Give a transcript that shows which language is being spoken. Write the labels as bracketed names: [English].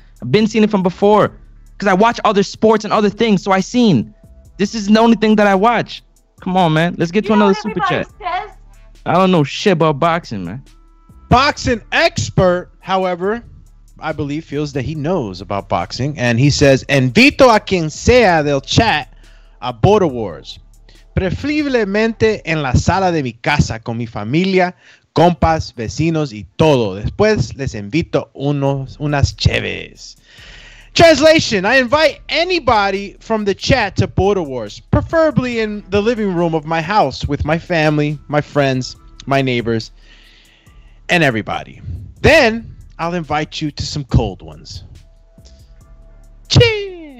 [English] I've been seeing it from before because I watch other sports and other things. So I seen. This is the only thing that I watch. Come on, man. Let's get to another super chat. I don't know shit about boxing, man. Boxing expert, however, I believe feels that he knows about boxing. And he says, [Spanish] invito a quien sea del chat a Border Wars. Preferiblemente en la sala de mi casa con mi familia, compas, vecinos y todo. Después les invito unas cheves. [English] Translation, I invite anybody from the chat to Border Wars, preferably in the living room of my house with my family, my friends, my neighbors, and everybody. Then I'll invite you to some cold ones. Cheers!